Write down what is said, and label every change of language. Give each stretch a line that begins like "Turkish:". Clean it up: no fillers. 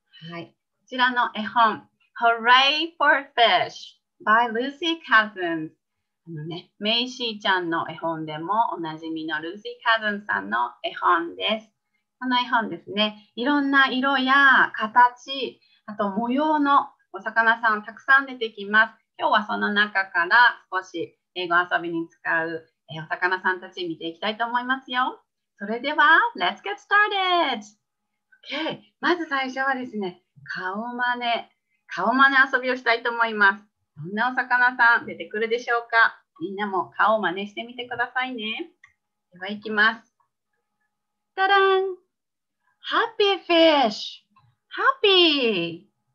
Japanese: はい、こちらの絵本 Hooray for Fish by Lucy Cousins、 あのね、メイシーちゃんの絵本でもおなじみの Lucy Cousins さんの絵本です。この絵本ですね、いろんな色や形、あと模様のお魚さんたくさん出てきます。今日はその中から少し英語遊びに使うお魚さんたち見ていきたいと思いますよ。それでは Let's get started!
English: OK!
Japanese: まず最初はですね、顔真似遊びをしたいと思います。どんなお魚さん出てくるでしょうか。みんなも顔を真似してみてくださいね。ではいきます。
English: ダダン、ハッピーフィッシュ、ハッピー。